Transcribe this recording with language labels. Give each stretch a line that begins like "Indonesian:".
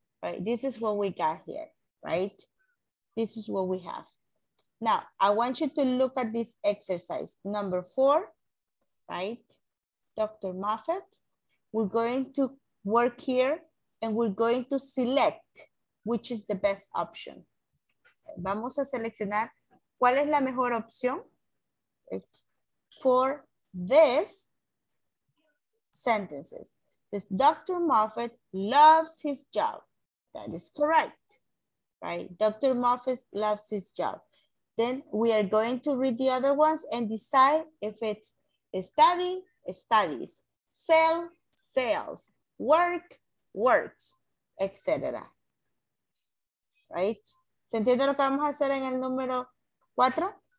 English: Right, this is what we got here, right? This is what we have. Now, I want you to look at this exercise, number four, right? Dr. Moffat, we're going to work here and we're going to select which is the best option.
Spanish: Vamos a seleccionar cuál es la mejor opción, right?
English: For this sentences. This Dr. Moffat loves his job. That is correct, right? Dr. Moffat loves his job. Then we are going to read the other ones and decide if it's study, studies, sell, sales, work, works, etc. Right?
Spanish: ¿Se entiende lo que vamos a hacer en el número cuatro?